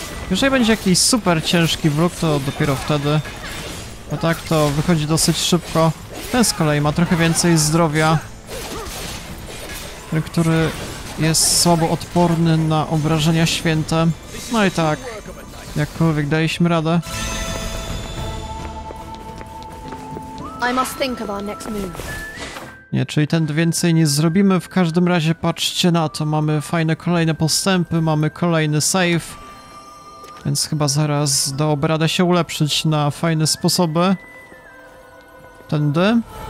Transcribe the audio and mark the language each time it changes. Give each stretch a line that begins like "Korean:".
Polish: Jeżeli będzie jakiś super ciężki wróg, to dopiero wtedy. Bo tak to wychodzi dosyć szybko. Ten z kolei ma trochę więcej zdrowia. Ten, który jest słabo odporny na obrażenia święte. No i tak, jakkolwiek daliśmy radę.
English: I must think of our next move.
Polish: Nie, czyli ten więcej nie zrobimy. W każdym razie patrzcie na to. Mamy fajne kolejne postępy, mamy kolejny save. Więc chyba zaraz dobra, da się ulepszyć na fajne sposoby. Tędy.